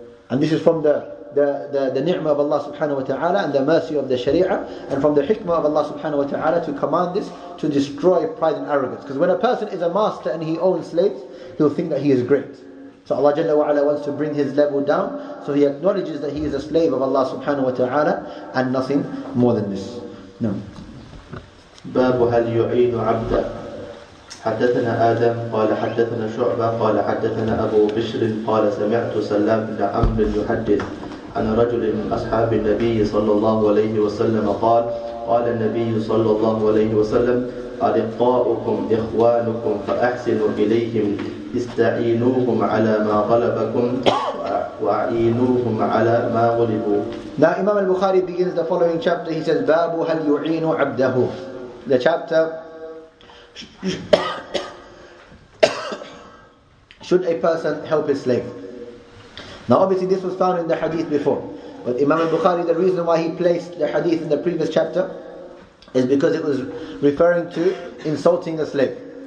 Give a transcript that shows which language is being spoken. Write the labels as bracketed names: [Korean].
[English] And this is from the ni'mah of Allah subhanahu wa ta'ala and the mercy of the sharia, and from the hikmah of Allah subhanahu wa ta'ala to command this to destroy pride and arrogance. Because when a person is a master and he owns slaves, he'll think that he is great. So Allah Jalla wa Ala wants to bring his level down, so he acknowledges that he is a slave of Allah subhanahu wa ta'ala and nothing more than this. No. [Arabic] Babu hal yu'inu abda. حدثنا آدم قال حدثنا شعبة قال حدثنا أبو بشر قال سمعت سلام بن عمرو يحدث عن رجل من أصحاب النبي صلى الله عليه وسلم قال النبي صلى الله عليه وسلم أرقاؤكم إخوانكم فأحسنوا إليهم استعينوهم على ما غلبكم وأعينوهم على ما غلبوا. [English] Now Imam al-Bukhari begins the following chapter. He says [Arabic] باب هل يعين عبده. [English] The chapter: should a person help his slave? Now obviously this was found in the hadith before, but Imam al-Bukhari, the reason why he placed the hadith in the previous chapter is because it was referring to insulting a slave.